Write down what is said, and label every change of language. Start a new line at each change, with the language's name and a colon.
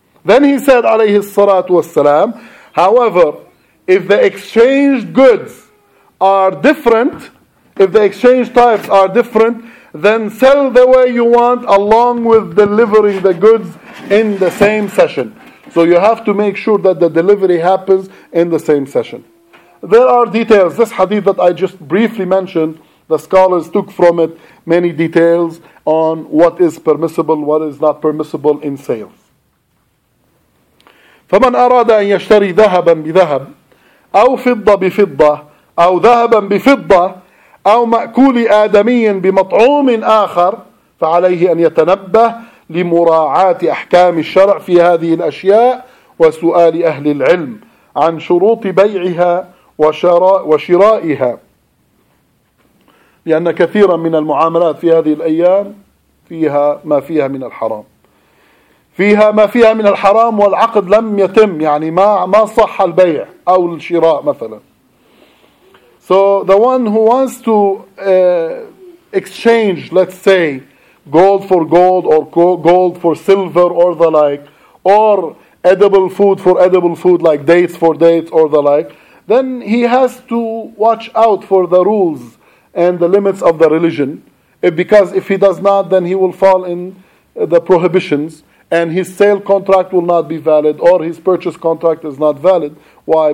English: Then he said,
Arabic: alayhi salatu wassalam,
English: however, if the exchanged goods are different, if the exchange types are different, then sell the way you want along with delivering the goods in the same session. So you have to make sure that the delivery happens in the same session. There are details. This hadith that I just briefly mentioned, the scholars took from it many details on what is permissible, what is not permissible in sales.
Arabic: فَمَنْ أَرَادَ أَنْ يَشْتَرِي ذَهَبًا بِذَهَبٍ أَوْ فِضَّ بِفِضَّةٍ أَوْ ذَهَبًا بِفِضَّةٍ أَوْ مَأْكُولِ آدَمِيٍّ بِمَطْعُومٍ آخَرٍ فَعَلَيْهِ أَنْ يَتَنَبَّهِ لمراعاة أحكام الشرع في هذه الأشياء وسؤال أهل العلم عن شروط بيعها وشرائها، لأن كثيرا من المعاملات في هذه الأيام فيها ما فيها من الحرام، فيها ما فيها من الحرام والعقد لم يتم، يعني ما صح البيع أو الشراء مثلا.
English: So the one who wants to exchange, let's say, gold for gold or gold for silver or the like, or edible food for edible food like dates for dates or the like, then he has to watch out for the rules and the limits of the religion, because if he does not, then he will fall in the prohibitions and his sale contract will not be valid or his purchase contract is not valid. Why?